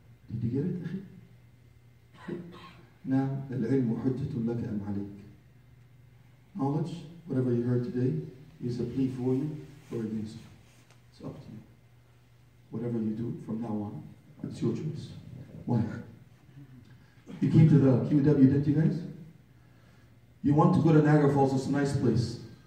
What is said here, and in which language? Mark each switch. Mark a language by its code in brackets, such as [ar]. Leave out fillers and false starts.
[en] Did you get it, أخي? [ar] Now, الْعِلْمُ حُجَّةٌ لَكَ أَمْ عَلَيْكَ. [en] Knowledge, whatever you heard today, is a plea for you or against you. It's up to you. Whatever you do from now on, it's your choice. Why? You came to the QW, didn't you guys? You want to go to Niagara Falls, it's a nice place.